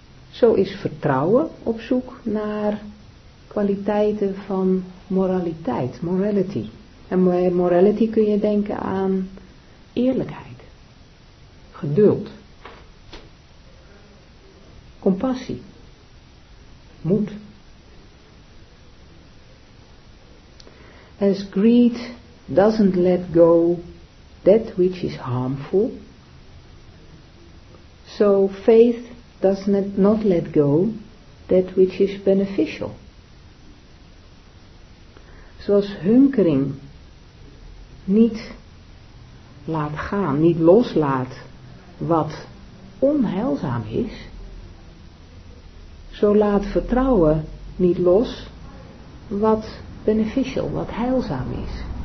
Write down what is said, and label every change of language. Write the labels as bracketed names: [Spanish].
[Dutch] Zo is vertrouwen op zoek naar kwaliteiten van moraliteit, morality. En bij morality kun je denken aan eerlijkheid, geduld, compassie, moed. [English] As greed doesn't let go that which is harmful, so faith does not let go that which is beneficial. [Dutch] Zoals hunkering niet laat gaan, niet loslaat wat onheilzaam is, zo laat vertrouwen niet los wat beneficial, wat heilzaam is.